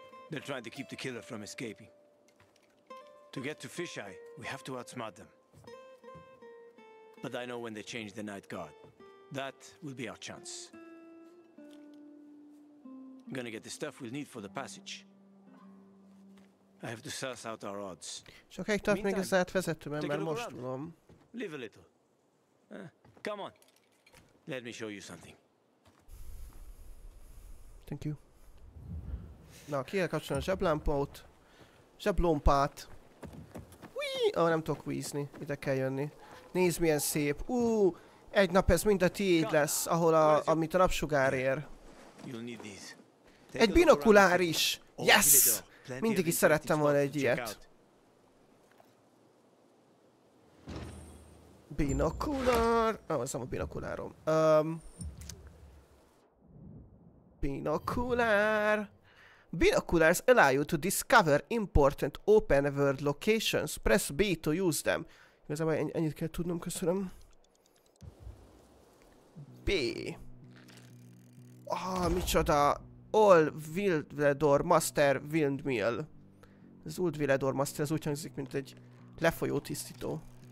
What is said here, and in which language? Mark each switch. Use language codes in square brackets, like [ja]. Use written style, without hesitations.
[en] They're trying to keep the killer from escaping. To get to Fisheye, we have to outsmart them. But I know when they change the night guard. That will be our chance. I'm gonna get the stuff we'll need for the passage. I have to suss out our odds. [hu] Sokáig tart még az átvezető, mert most tudom. [en] Live a little. Come on. Let me show you something. Thank you. [hu] Na, ki kell kapcsolni a zseblámpót. Zseblompát. Whee! Oh, nem tudok vízni. Ide kell jönni. Nézd, milyen szép. Egy nap ez mind a tiéd lesz, ahol a, amit a napsugár ér. Egy binokulár is! Yes! Mindig is szerettem volna egy ilyet. Binokulár! Ah, az a binokulárom. Binokulár! [en] Binoculars allow you to discover important open world locations. Press B to use them. [hu] Igazából ennyit kell tudnom, köszönöm. B. Ah, micsoda. All Wildvedor Master Windmill. Az Old Wildvedor Master, ez úgy hangzik, mint egy lefolyó tisztító.